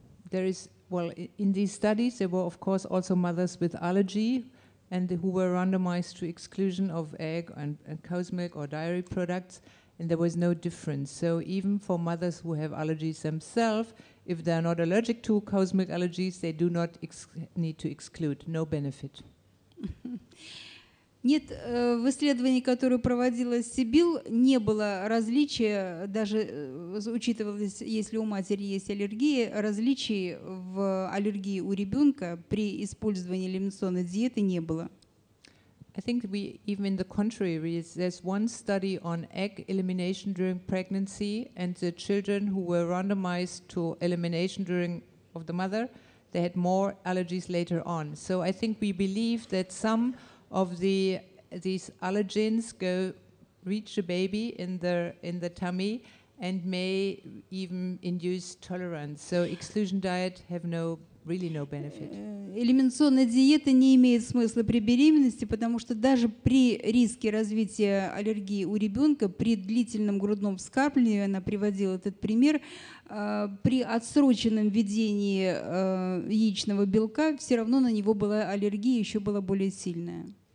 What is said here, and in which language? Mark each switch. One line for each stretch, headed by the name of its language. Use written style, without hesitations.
English: There is, well, in these studies, there were, of course, also mothers with allergy, and who were randomized to exclusion of egg and cow's milk or dairy products, and there was no difference. So even for mothers who have allergies themselves, if they are not allergic to cow's milk allergies, they do not need to exclude, no benefit.
Russian: Нет, в исследовании, которое проводила Сибил, не было различия, даже учитывалось, если у матери есть аллергии, различий в аллергии у ребенка при использовании элиминационной диеты не было.
English: I think we, even in the contrary, there's one study on egg elimination during pregnancy, and the children who were randomized to elimination during of the mother, they had more allergies later on. So I think we believe that some of these allergens go reach the baby in the tummy and may even induce tolerance. So exclusion diet have no really no benefit.
Russian: Элиминационная диета не имеет смысла при беременности, потому что даже при риске развития аллергии у ребенка при длительном грудном вскармливании, она приводила этот пример, при отсроченном введении яичного белка все равно на него была аллергия, еще была более сильная.